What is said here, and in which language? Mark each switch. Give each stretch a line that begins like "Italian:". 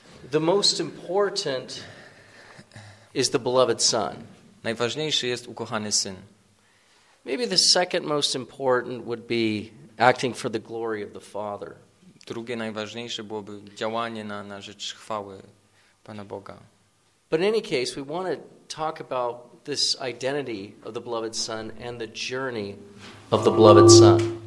English: the most important is the beloved son.
Polish: Najważniejszy jest ukochany syn.
English: Maybe the second most important would be acting for the glory of the Father.
Polish: Drugie najważniejsze byłoby działanie na rzecz chwały Pana Boga.
English: But in any case, we want to talk about this identity of the beloved son and the journey of the beloved son.